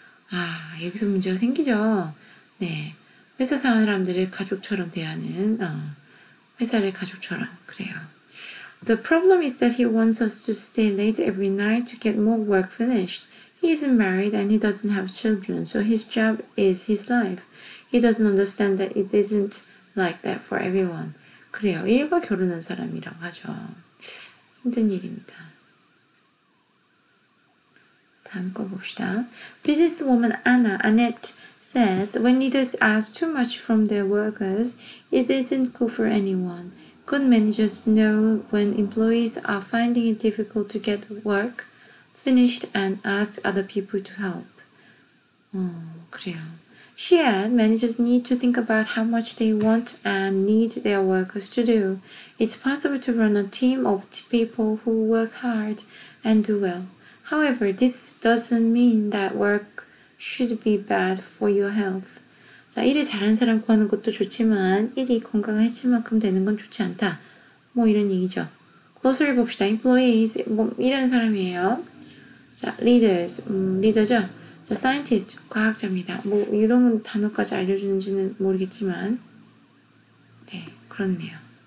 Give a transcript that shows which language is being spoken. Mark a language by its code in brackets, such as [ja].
[ko] 아, 여기서 문제가 생기죠. 네, 회사 사람들을 가족처럼 대하는 회사를 가족처럼 그래요. [en] The problem is that he wants us to stay late every night to get more work finished. He isn't married and he doesn't have children, so his job is his life. He doesn't understand that it isn't like that for everyone. [ko] 그래요. 일과 결혼한 사람이라고 하죠. 힘든 일입니다. 다음 거 봅시다. [en] Businesswoman Annette says, when leaders ask too much from their workers, it isn't good for anyone. Good managers know when employees are finding it difficult to get work finished and ask other people to help. [ko] 그래요. [en] She added, managers need to think about how much they want and need their workers to do. It's possible to run a team of people who work hard and do well. However, this doesn't mean that work should be bad for your health. [ko] 자, 일을 잘하는 사람 구하는 것도 좋지만 일이 건강해질 만큼 되는 건 좋지 않다. 뭐 이런 얘기죠. Closer를 봅시다. Employees, 뭐 이런 사람이에요. 자, leaders, leader죠. 자, scientist, 과학자입니다. 뭐 이런 단어까지 알려주는지는 모르겠지만 네, 그렇네요.